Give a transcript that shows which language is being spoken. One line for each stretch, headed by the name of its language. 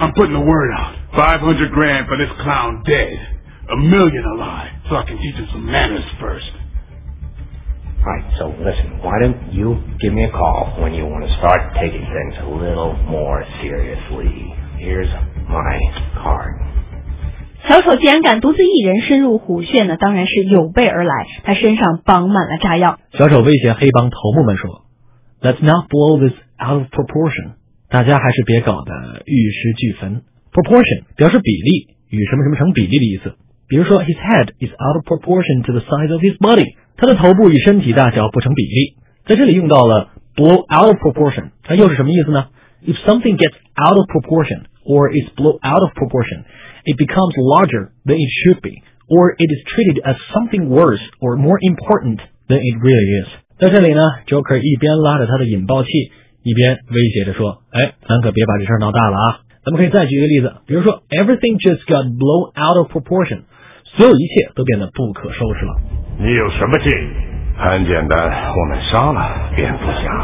English: I'm putting the word out. 500 grand for this clown dead. 1 million alive, so I can teach him some manners first. Right, so listen, why don't you give me a call when you want to start taking things a little more seriously. Here's my card.
Chinese: 小丑既然敢独自一人深入虎穴呢，当然是有备而来，他身上绑满了炸药。小丑威胁黑帮头目们说 Let's not blow this out of proportion. 大家还是别搞得玉石俱焚。Proportion 表示比例，与什么什么成比例的意思。比如说 His head is out of proportion to the size of his body. 他的头部与身体大小不成比例。在这里用到了 blow out of proportion. 那又是什么意思呢？
English: If something gets out of proportion, or is blown out of proportion, it becomes larger than it should be, or it is treated as something worse or more important than it really is.
Chinese: 在这里呢 ,Joker 一边拉着他的引爆器一边威胁着说哎咱可别把这事闹大了啊。咱们可以再举一个例子比如说 , everything just got blown out of proportion, 所有一切都变得不可收拾了。你有什么建议很简单我们杀了蝙蝠侠。